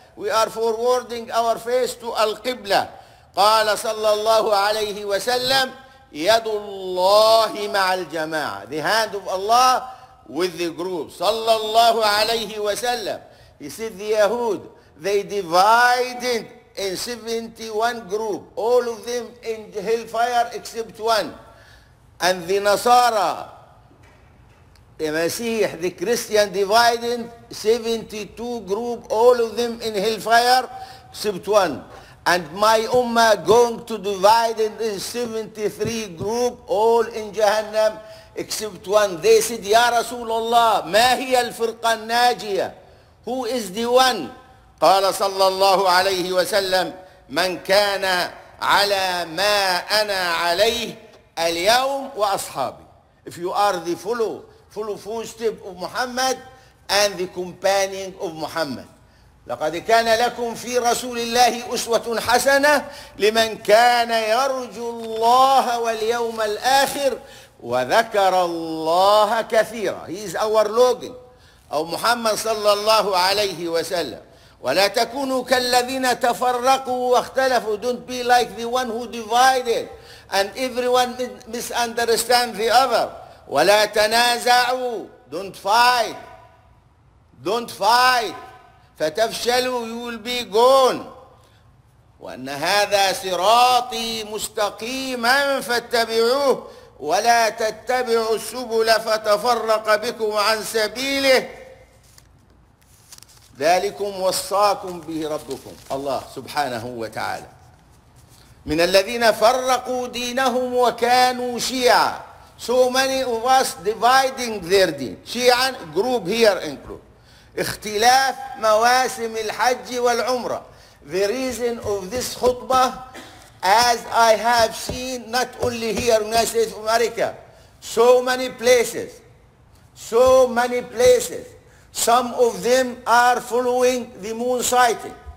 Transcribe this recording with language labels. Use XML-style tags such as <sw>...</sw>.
<en>We are forwarding our face to Al-Qibla.</en> <ar>قال صلى الله عليه وسلم يد الله مع الجماعة.</ar> <en>The hand of Allah with the group. صلى الله عليه وسلم. He said the Yahud, they divided in 71 group. All of them in hellfire except one. and the Nasara, the Masih, the Christian divided 72 group, all of them in hellfire, except one. And my Ummah going to divide in this 73 group, all in Jahannam, except one.</en> <ar>They said, Ya Rasulullah, ma hiya al-firqa al-najiya?</ar> <en>Who is the one?</en> <ar>قال صلى الله عليه وسلم من كان على ما أنا عليه اليوم وأصحابي.</ar> <en>If you are the full footstep of Muhammad and the companion of Muhammad.</en> <ar>لقد كان لكم في رسول الله أسوة حسنة لمن كان يرجو الله واليوم الآخر وذكر الله كثيرا.</ar> <en>He is our login.</en> <ar>أو محمد صلى الله عليه وسلم. ولا تكونوا كالذين تفرقوا واختلفوا.</ar> <en>Don't be like the one who divided and everyone misunderstand the other.</en> <ar>ولا تنازعوا. Don't fight. فتفشلوا.</ar> <en>You will be gone.</en> <ar>وأن هذا صراطي مستقيما فاتبعوه ولا تتبعوا السبل فتفرق بكم عن سبيله. ذلكم وصاكم به ربكم الله سبحانه وتعالى. من الذين فرقوا دينهم وكانوا شيعا.</ar> <en>So many of us dividing their deen. شيعا group here include.</en> <ar>اختلاف مواسم الحج والعمرة.</ar> <en>The reason of this khutbah, as I have seen not only here in the United States of America, so many places. Some of them are following the moon sighting.</en>